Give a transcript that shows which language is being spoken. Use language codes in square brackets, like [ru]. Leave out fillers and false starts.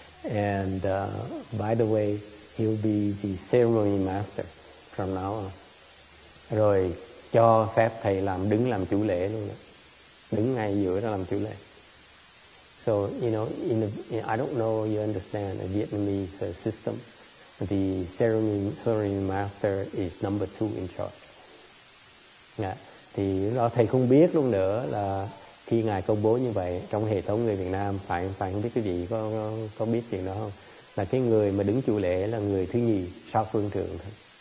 [en] And by the way, he'll be the ceremony master from now on. [vi] Rồi cho phép thầy đứng làm chủ lễ luôn đó. Đứng ngay giữa đó làm chủ lễ. [en] So, you know, I don't know you understand the Vietnamese system. The ceremony master is number two in charge. Yeah. [vi] Thì đó thầy không biết luôn nữa là khi ngài công bố như vậy trong hệ thống người Việt Nam phải không biết cái gì có biết chuyện đó không, là cái người mà đứng chủ lễ là người thứ nhì sau phương trưởng thôi.